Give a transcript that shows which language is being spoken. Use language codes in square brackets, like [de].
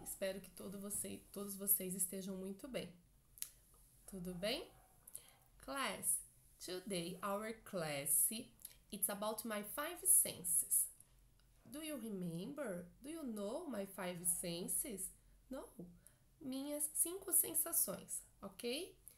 [pt] Espero que todos vocês estejam muito bem. Tudo bem? [en] Class, today our class it's about my five senses. Do you remember? Do you know my five senses? No. [pt] Minhas cinco sensações, ok?